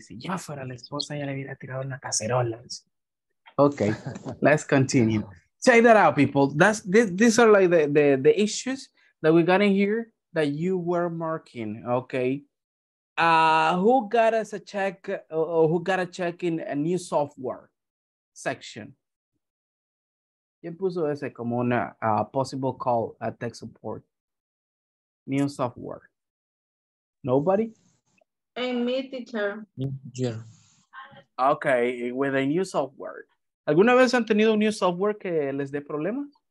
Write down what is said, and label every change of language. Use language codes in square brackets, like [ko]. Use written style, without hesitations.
[es] Si yo fuera la esposa, ya le hubiera tirado una cacerola. [en] Ok. Let's continue. Check that out, people. These are like the issues that we got in here that you were marking. Ok. Who got us a check or who got a check in a new software section? [es] ¿Quién puso ese como una [en] possible call at tech support? New software. Nobody? And me, teacher. Yeah. Okay, with a new software. [es] ¿Alguna vez han tenido un new software que les dé problemas?